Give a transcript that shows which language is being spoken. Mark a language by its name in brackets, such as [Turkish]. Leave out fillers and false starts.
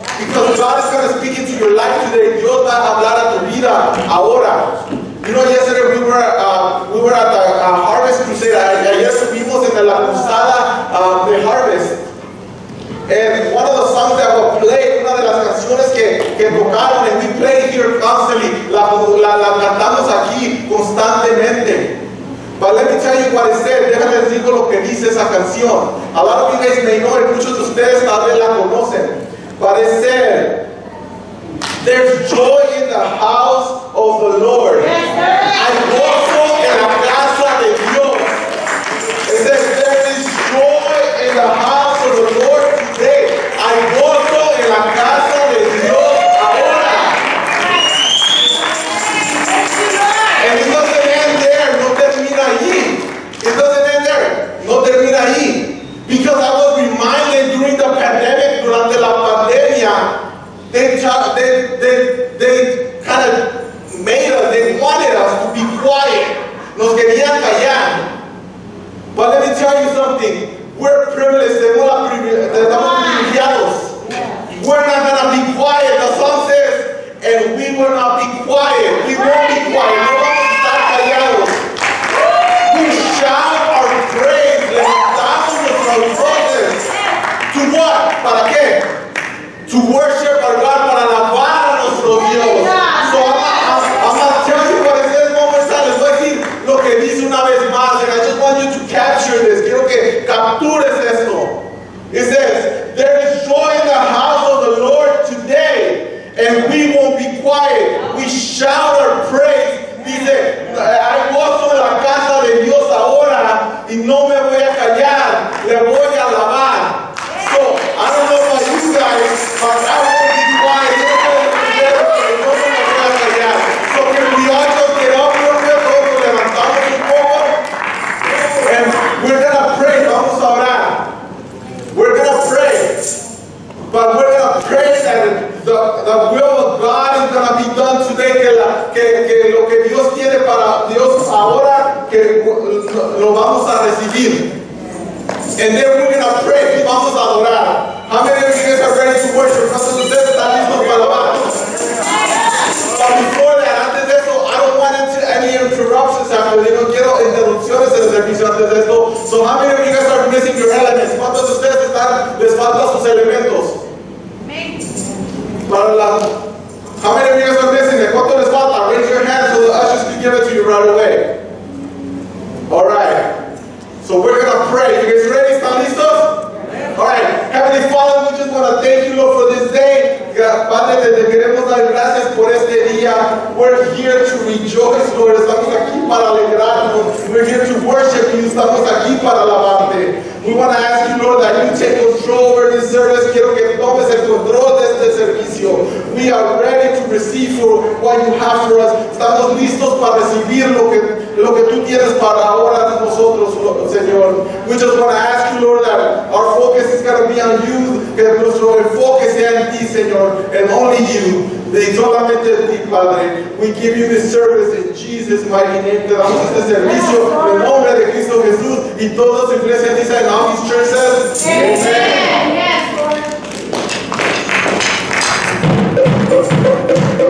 [English] Because God is going to speak into your life today. [Spanish] Dios va a hablar a tu vida ahora. [English] You know, yesterday we were at the Harvest Crusade. [Spanish] Ayer estuvimos en la cruzada de Harvest. [English] And one of the songs that were played, [Spanish] una de las canciones que tocaron, [English] and we play here constantly, [Spanish] la cantamos aquí constantemente. [English] But let me tell you what it said. [Spanish] Déjame decir lo que dice esa canción. [English] A lot of you guys may know it. [Spanish] Muchos de ustedes tal vez la conocen. [English] But it said, there's joy in the house of the Lord. Yes, [Spanish] I gozo en la casa de Dios. [English] It says, there is joy in the house of the Lord today. [Spanish] I gozo en la casa de Dios ahora. [English] And it doesn't end there. [Spanish] No termina ahí. [English] It doesn't end there. [Spanish] No termina ahí. [English] Because I was reminded during the pandemic, [Spanish] durante la pandemia, [English] they kind of made us, they wanted us to be quiet. [Spanish] Nos querían callar. [English] But let me tell you something. We're privileged. [Spanish] Estamos privilegiados. [English] We're not going to be quiet, the song says. And we will not be quiet. We won't be quiet. [Spanish] No vamos a estar callados. [English] We shout our praise. [Spanish] Levantamos nuestras voces. [English] To what? [Spanish] ¿Para qué? [English] To worship our God, [Spanish] para alabar a nuestro Dios. [English] So I'm going to tell you what it says momentarily. [Spanish] Les voy a decir lo que dice una vez más. [English] And I just want you to capture this. [Spanish] Quiero que captures esto. [English] It says, there is joy in the house of the Lord today, and we won't be quiet. We shout our praise. [Spanish] Dice, I was en la casa de Dios ahora, y no me voy a callar. Le voy a alabar. [English] So, I don't know about you guys, but I won't be quiet. [Spanish] Yo no voy a callar. [English] So, can we all just get up real quick? [Spanish] Vamos a levantarnos un poco. [English] And we're going to pray. [Spanish] Vamos a orar. [English] We're going to pray. But we're going to pray that the will of God is going to be done today. [Spanish] Que lo que Dios tiene para Dios ahora, que lo vamos a recibir. [English] And then we're going to pray. [Spanish] Vamos a adorar. [English] How many of you guys are ready to worship? [Spanish] ¿Cuántos de ustedes están listos para alabar? [English] But before that, [Spanish] antes de esto, [English] I don't want any interruptions after. [Spanish] Yo no quiero interrupciones en el servicio antes de esto. [English] So how many of you guys are missing your elements? [Spanish] ¿Cuántos de ustedes están, les faltan sus elementos? Para la... [English] How many of you guys are missing it? [Spanish] ¿Cuánto les falta? [English] Raise your hand so the ushers can give it to you right away. So we're going to pray. You guys ready? Stand listo? Alright. Heavenly Father, we just want to thank you, Lord, for this day. [Spanish] Padre, te queremos dar gracias por este día. [English] We're here to rejoice, Lord. [Spanish] Estamos aquí para alegrarnos. [English] We're here to worship you. [Spanish] Estamos aquí para alabarte. [English] We want to ask you, Lord, that you take control over this service. [Spanish] Quiero que tomes el control de este servicio. [English] We are ready to receive for what you have for us. [Spanish] Estamos listos para recibir lo que tú tienes para ahora de nosotros, Señor. [English] We just want to ask you, Lord, that our focus is going to be on you. [Spanish] Que nuestro enfoque sea en ti, Señor, [English] and only you. [Spanish] Y solamente ti, Padre. [English] We give you this service in Jesus' mighty name. [Spanish] Te damos este servicio en el nombre de Cristo Jesús. Y toda su iglesia dice, [English] and all his church says, [Spanish] Amen. Amen.